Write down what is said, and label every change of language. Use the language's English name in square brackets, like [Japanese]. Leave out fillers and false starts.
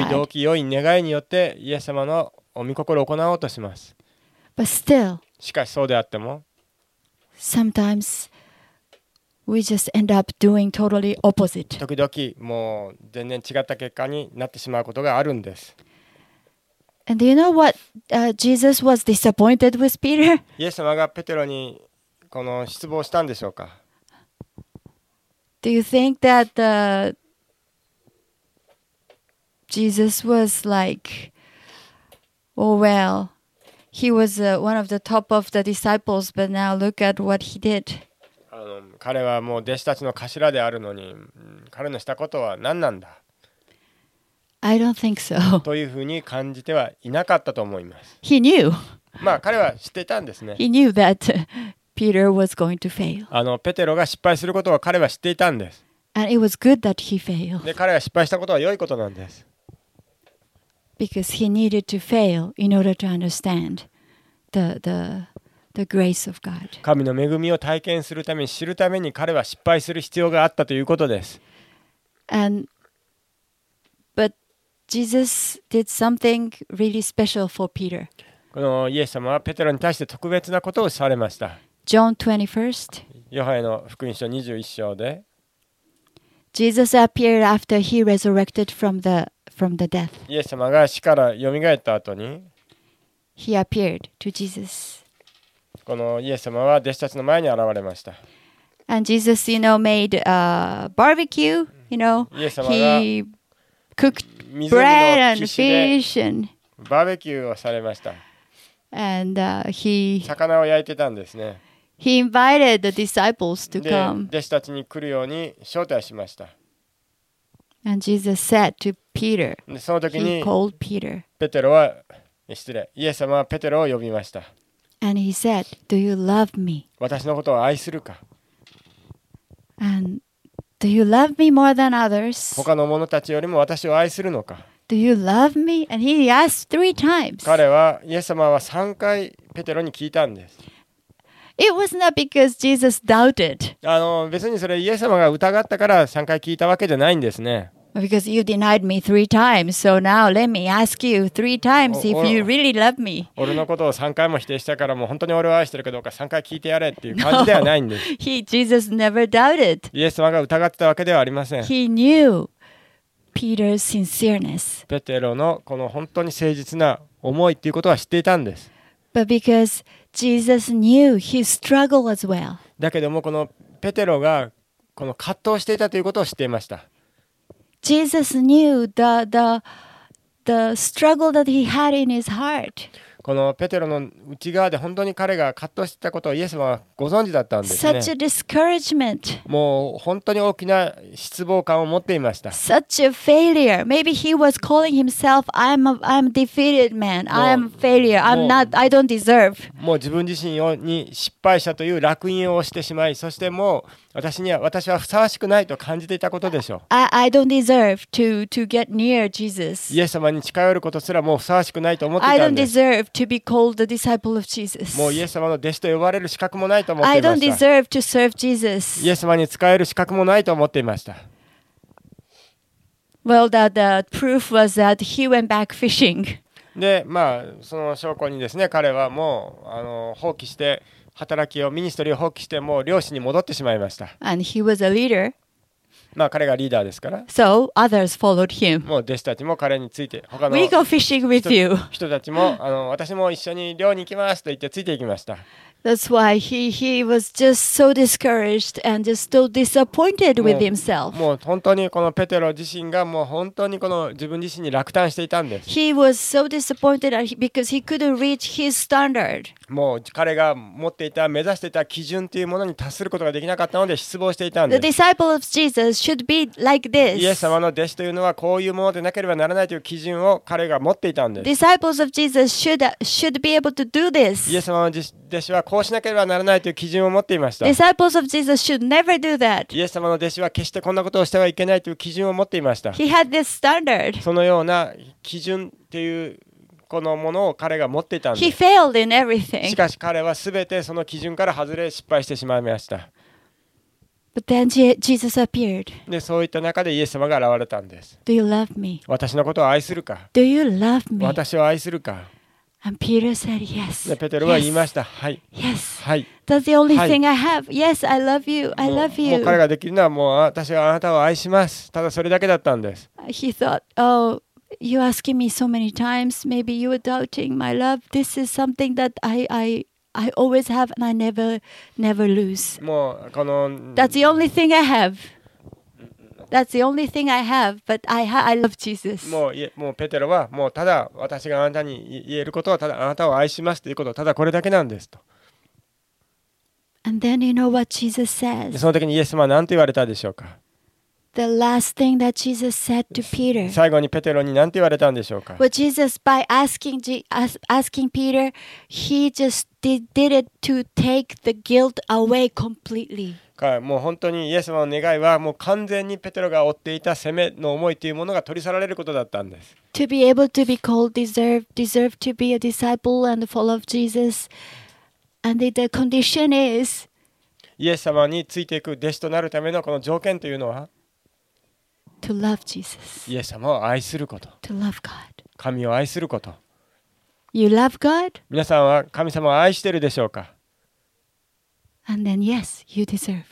[Japanese] 良い動機、良い願いによってイエス様のお御心を行おうとします。 [English] But still, [Japanese] しかしそうであっても、 [English] sometimes we just end up doing totally opposite. [Japanese] 時々もう全然違った結果になってしまうことがあるんです。 [English] And do you know what Jesus was disappointed with Peter? [Japanese] イエス様がペテロにこの失望したんでしょうか。 [English] Do you think that Jesus was like, oh well, he was one of the top of the disciples, but now look at what he did. [Japanese] 彼はもう弟子たちの頭であるのに、彼のしたことは何なんだ。 [English] I don't think so. [Japanese] というふうに感じてはいなかったと思います。 [English] He knew. [Japanese] まあ彼は知ってたんですね。 [English] He knew that Peter was going to fail. [Japanese] ペテロが失敗することは彼は知っていたんです。 [English] And it was good that he failed. [Japanese] で、彼が失敗したことは良いことなんです。 [English] Because he needed to fail in order to understand the grace of God. [Japanese] 神の恵みを体験するために、知るために彼は失敗する必要があったということです。 [English] And but Jesus did something really special for Peter. [Japanese] このイエス様はペテロに対して特別なことをされました。 [English] John 21st. [Japanese] ヨハネの福音書21章で。 [English] Jesus appeared after he resurrected from the death. [Japanese] イエス様が死から蘇った後に。 [English] He appeared to Jesus. [Japanese] このイエス様は弟子たちの前に現れました。 [English] And Jesus, you know, made a barbecue, you know. [Japanese] イエス様が。 [English] He cooked bread and fish and. [Japanese] バーベキューをされました。 [English] And he. [Japanese] 魚を焼いてたんですね。 [English] He invited the disciples to come. [Japanese] 弟子たちに来るように招待しました。 [English] And Jesus said to Peter. [Japanese] その時に、 [English] he called Peter. [Japanese] ペテロは、失礼。イエス様はペテロを呼びました。 [English] And he said, "Do you love me?" [Japanese] 私のことを愛するか。 [English] And do you love me more than others? [Japanese] 他の者たちよりも私を愛するのか。 [English] Do you love me? And he asked three times. [Japanese] 彼はイエス様は3回ペテロに聞いたんです。 [English] It was not because Jesus doubted. [Japanese] 別にそれイエス様が疑ったから3回聞いたわけじゃないんですね。 [English] Because you denied me three times, so now let me ask you three times if you really love me. [Japanese] 俺のことを3回も否定したからもう本当に俺を愛してるかどうか3回聞いてやれっていう感じではないんです。 [English] No. Jesus never doubted. [Japanese] イエス様が疑ってたわけではありません。 [English] He knew Peter's sincereness. [Japanese] ペテロのこの本当に誠実な思いっていうことは知っていたんです。 [English] But because Jesus knew his struggle as well. [Japanese] だけどもこのペテロがこの葛藤していたということを知っていました。 [English] Jesus knew the struggle that he had in his heart. [Japanese] このペテロの内側で本当に彼が葛藤していたことをイエス様はご存知だったんですね。 [English] Such a discouragement. [Japanese] もう本当に大きな失望感を持っていました。 [English] Such a failure. Maybe he was calling himself, I'm a defeated man. I'm a failure. I don't deserve. [Japanese] もう自分自身に失敗者という烙印をしてしまい、そしてもう私はふさわしくないと感じていたことでしょう。 [English] I don't deserve to get near Jesus. [Japanese] イエス様に近寄ることすらもうふさわしくないと思っていたんです。 [English] I don't deserve to be called the disciple of Jesus. [Japanese] もうイエス様の弟子と呼ばれる資格もないと思っていました。 [English] I don't deserve to serve Jesus. [Japanese] イエス様に仕える資格もないと思っていました。 [English] Well, the proof was that he went back fishing. [Japanese] で、まあその証拠にですね、彼はもう放棄して。働きをミニストリーを放棄してもう漁師に戻ってしまいました。 [English] And he was a leader. [Japanese] まあ彼がリーダーですから。 [English] So others followed him. [Japanese] もう弟子たちも彼について他の [English] We go fishing with you. [Japanese] 人たちも私も一緒に漁に行きますと言ってついていきました。 [English] That's why he was just so discouraged and just so disappointed with himself. [Japanese] もう本当にこのペテロ自身がもう本当にこの自分自身に落胆していたんです。 [English] He was so disappointed because he couldn't reach his standard. [Japanese] もう彼が持っていた目指していた基準というものに達することができなかったので失望していたんです。 [English] The disciple of Jesus should be like this. [Japanese] イエス様の弟子というのはこういうものでなければならないという基準を彼が持っていたんです。 [English] Disciples of Jesus should be able to do this. [Japanese] イエス様の弟子はこうしなければならないという基準を持っていました。 [English] Disciples of Jesus should never do that. [Japanese] イエス様の弟子は決してこんなことをしてはいけないという基準を持っていました。 [English] He had this standard. [Japanese] そのような基準というこのものを彼が持っていたんです。 [English] He failed in everything. [Japanese] しかし彼はすべてその基準から外れ失敗してしまいました。 [English] But then Jesus appeared. [Japanese] で、そういった中でイエス様が現れたんです。 [English] Do you love me? [Japanese] 私のことを愛するか。 [English] Do you love me? [Japanese] 私を愛するか。 [English] And Peter said, yes. [Japanese] ペテロは言いました。 [English] Yes. [Japanese] はい。 [English] Yes. [Japanese] はい。 [English] That's the only thing I have. Yes, I love you. I love you. [Japanese] もう彼ができるのはもう私はあなたを愛します。ただそれだけだったんです。 [English] He thought, oh, you're asking me so many times. Maybe you were doubting my love. This is something that I always have and I never lose. [Japanese] もうこの。 [English] That's the only thing I have. That's the only thing I have, but I love Jesus. [Japanese] もうペテロはもうただ私があなたに言えることはただあなたを愛しますということはただこれだけなんですと。 [English] And then you know what Jesus says. [Japanese] その時にイエス様は何と言われたでしょうか。 [English] The last thing that Jesus said to Peter. [Japanese] 最後にペテロに何と言われたんでしょうか。 [English] Well, Jesus by asking Peter, he just did it to take the guilt away completely. [Japanese] もう本当にイエス様の願いはもう完全にペテロが負っていた責めの思いというものが取り去られることだったんです。 [English] To be able to be called deserve to be a disciple and follow of Jesus, and the condition is [Japanese] イエス様についていく弟子となるためのこの条件というのは [English] to love Jesus. [Japanese] イエス様を愛すること。 [English] To love God. [Japanese] 神を愛すること。 [English] You love God? [Japanese] 皆さんは神様を愛しているでしょうか。 [English] And then, yes, you deserve.